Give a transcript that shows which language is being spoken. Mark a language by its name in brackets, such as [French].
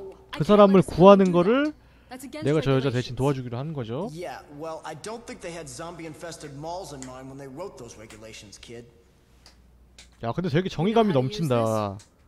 [Korean] 그 사람을 구하는 거를 내가 저 여자 대신 도와주기로 하는 거죠. [English] Yeah, well, I don't think they had zombie-infested malls in mind when they wrote those regulations, kid. [Korean] 야, 근데 되게 정의감이 넘친다.